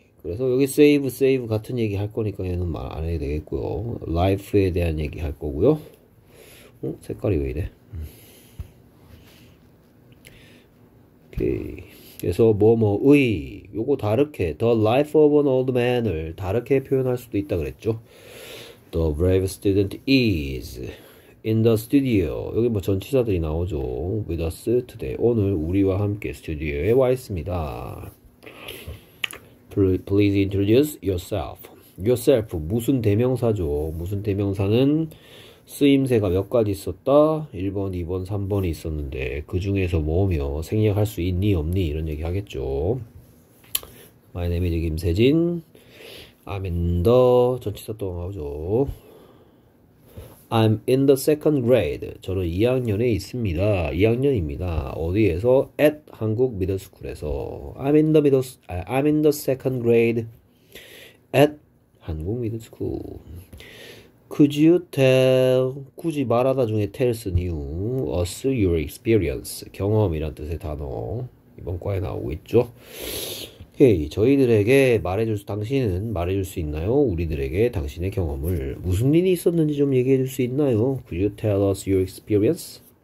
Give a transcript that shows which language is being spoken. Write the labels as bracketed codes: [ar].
[ko] 그래서 여기 save 같은 얘기 할 거니까 얘는 말안 해도 되겠고요. life에 대한 얘기 할 거고요. 어? 색깔이 왜 이래? 오케이. 그래서 뭐뭐의 요거 다르게 the life of an old man 을 다르게 표현할 수도 있다 그랬죠. [en] The brave student is in the studio. [ko] 여기 뭐 전치사들이 나오죠. [en] With us today. [ko] 오늘 우리와 함께 스튜디오에 와 있습니다. [en] Please introduce yourself. [ko] Yourself 무슨 대명사죠? 무슨 대명사는 쓰임새가 몇 가지 있었다. 1번, 2번, 3번이 있었는데 그 중에서 뭐며 생략할 수 있니 없니 이런 얘기 하겠죠. [en] My name is 김세진. [ko] I'm in the 전치사 또 나오죠. [en] I'm in the second grade. 저는 2학년에 있습니다. [ko] 2학년입니다. 어디에서? At 한국 미들스쿨에서. [en] I'm in the second grade at 한국 미들스쿨. Could you tell? 굳이 말하다 중에 tells new us your experience. [ko] 경험이란 뜻의 단어. 이번 과에 나오고 있죠. 오케이. 저희들에게 말해줄 수, 당신은 말해줄 수 있나요? 우리들에게 당신의 경험을. 무슨 일이 있었는지 좀 얘기해줄 수 있나요? [en] Could you tell us your experience?